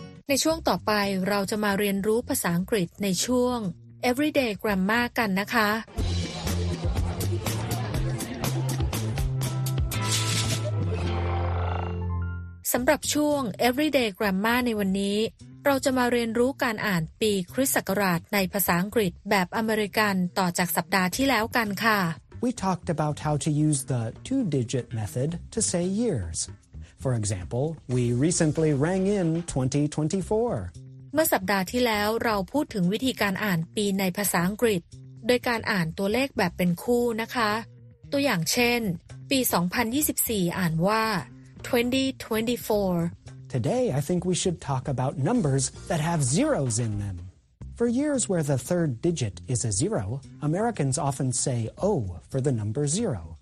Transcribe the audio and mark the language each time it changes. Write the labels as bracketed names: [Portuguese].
[Thai] ในช่วงต่อไปเราจะมาเรียนรู้ภาษาอังกฤษในช่วง Everyday Grammar กันนะคะสำหรับช่วง Everyday Grammar ในวันนี้เราจะมาเรียนรู้การอ่านปีคริสต์ศักราชในภาษาอังกฤษแบบอเมริกันต่อจากสัปดาห์ที่แล้วกันค่ะ [English] We talked about how to use the two-digit method to say years. For example, we recently rang in 2024. [Thai] เมื่อสัปดาห์ที่แล้วเราพูดถึงวิธีการอ่านปีในภาษาอังกฤษโดยการอ่านตัวเลขแบบเป็นคู่นะคะตัวอย่างเช่นปี2024อ่านว่า2024. [English] Today, I think we should talk about numbers that have zeros in them. For years where the third digit is a zero, Americans often say O for the number zero.